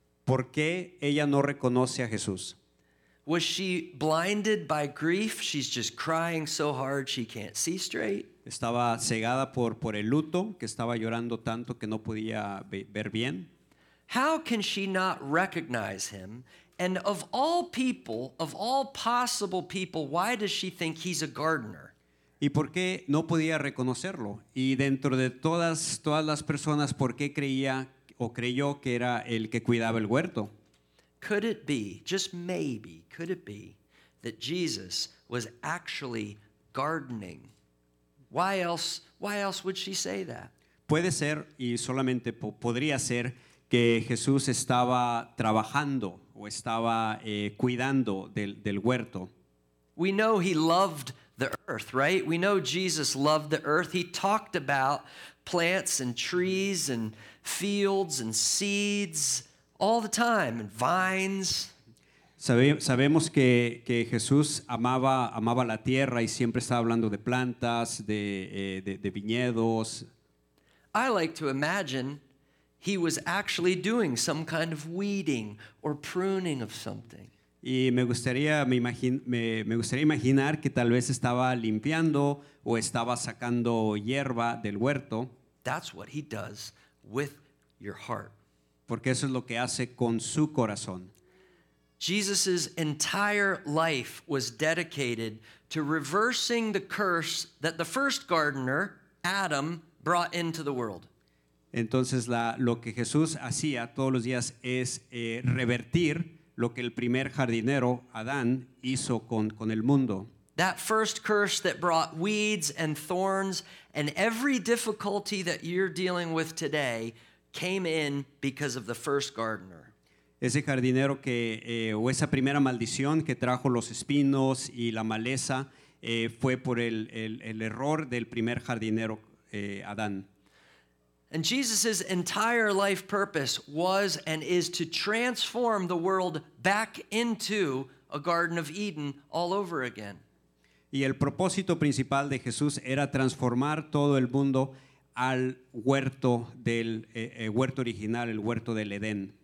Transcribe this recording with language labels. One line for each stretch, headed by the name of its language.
Spanish: ¿Por qué ella no reconoce a Jesús?
English: Was she blinded by grief? She's just crying so hard she can't see straight.
Spanish: estaba cegada por el luto, que estaba llorando tanto que no podía ver bien.
English: How can she not recognize him? And of all people, of all possible people, why does she think he's a gardener?
Spanish: ¿Y por qué no podía reconocerlo? Y dentro de todas las personas, ¿por qué creía o creyó que era el que cuidaba el huerto?
English: Could it be, just maybe, could it be that Jesus was actually gardening? Why else would she say that?
Spanish: Puede ser, y solamente podría ser, que Jesús estaba trabajando o estaba cuidando del huerto.
English: We know he loved the earth, right? We know Jesus loved the earth. He talked about plants and trees and fields and seeds all the time, and vines.
Spanish: Sabemos que Jesús amaba la tierra y siempre estaba hablando de plantas, de viñedos.
English: I like to imagine he was actually doing some kind of weeding or pruning of something.
Spanish: Y me gustaría imaginar que tal vez estaba limpiando o estaba sacando hierba del huerto.
English: That's what he does with your heart.
Spanish: Porque eso es lo que hace con su corazón.
English: Jesus' entire life was dedicated to reversing the curse that the first gardener, Adam, brought into the world.
Spanish: Entonces lo que Jesús hacía todos los días es revertir lo que el primer jardinero, Adán, hizo con el mundo.
English: That first curse that brought weeds and thorns and every difficulty that you're dealing with today came in because of the first gardener.
Spanish: Ese jardinero que, o esa primera maldición que trajo los espinos y la maleza, fue por el error del primer jardinero, Adán.
English: And Jesus' entire life purpose was and is to transform the world back into a Garden of Eden all over again.
Spanish: Y el propósito principal de Jesús era transformar todo el mundo al huerto del huerto original, el huerto del Edén.